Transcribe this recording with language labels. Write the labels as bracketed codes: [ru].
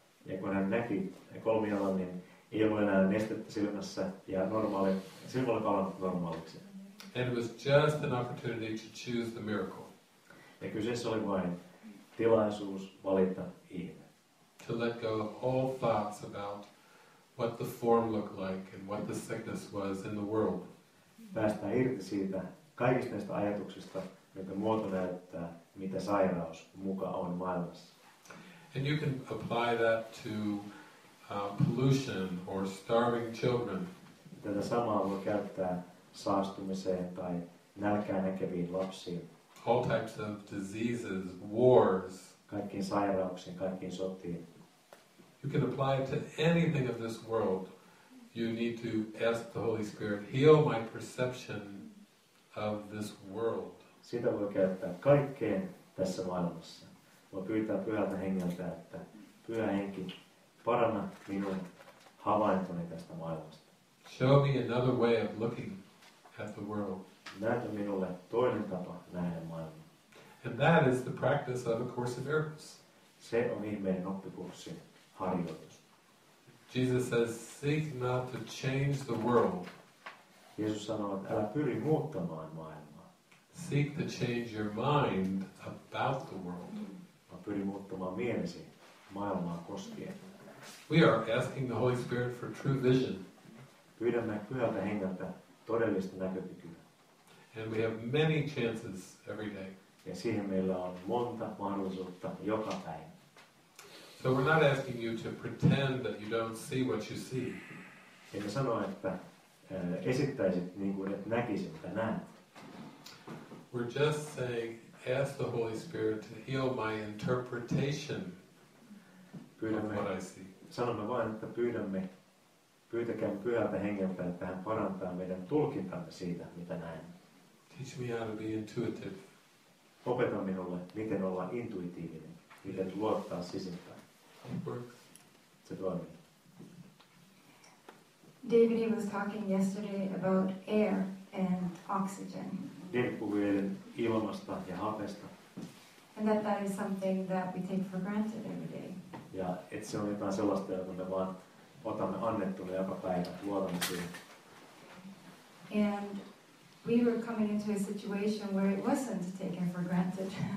[fi] Ja kun hän näki kolmijalan, niin ei ollut enää nestettä silmässä ja normaali, silmä oli palannut normaaliksi. [en] And it was just an opportunity to choose the miracle. [fi] Ja kyseessä oli vain tilaisuus valita ihme. [en] To let go of all thoughts about what the form looked like and what the sickness was in the world. [fi] Päästään irti siitä kaikista näistä ajatuksista, miten muoto näyttää, mitä sairaus muka on maailmassa. [en] And you can apply that to pollution or starving children. [fi] Tätä samaa voi käyttää saastumiseen tai nälkään näkeviin lapsiin. [en] All types of diseases, wars. [fi] Kaikkiin sairauksiin, kaikkiin sotiin. [en] You can apply it to anything of this world. You need to ask the Holy Spirit, heal my perception of this world. [fi] Sitä voi käyttää kaikkeen tässä maailmassa. Voi pyytää Pyhältä Hengeltä, että Pyhä Henki, paranna minun havaintoni tästä maailmasta. [en] Show me another way of looking at the world. [fi] Näytä minulle toinen tapa nähdä maailmaa. [en] And that is the practice of A Course in Miracles. [fi] Se on ihmeen oppikurssin harjoitus. [en] Jesus says, seek not to change the world. [fi] Jeesus sanoo, että älä pyri muuttamaan maailmaa. [en] Seek to change your mind about the world. [fi] Mä pyri muuttamaan mielesi maailmaa koskien. [en] We are asking the Holy Spirit for true vision. [fi] Pyydämme Pyhältä Hengeltä todellista näkökykyä. [en] And we have many chances every day. [fi] Ja siihen meillä on monta mahdollisuutta joka päivä. [en] So we're not asking you to pretend that you don't see what you see. [fi] Emme sano, että esittäisit niin kuin et näkisi, mitä näet. [en] We're just saying, ask the Holy Spirit to heal my interpretation [fi] pyydämme, [en] of what I see. [fi] Sanomme vain, että pyytäkään Pyhältä Hengeltä, että hän parantaa meidän tulkintamme siitä, mitä näen. [en] Teach me how to be intuitive. [fi] Opeta minulle, miten olla intuitiivinen, miten luottaa sisimpään. Se toimii. [en] David was talking yesterday about air and oxygen. [fi] David puhui eilen ilmasta ja hapesta. [en] And that is something that we take for granted every day. [fi] Ja et se on jotain sellaista, jota me vaan otamme annettuna joka päivä, luotamme siihen. [en] And we were coming into a situation where it wasn't taken for granted.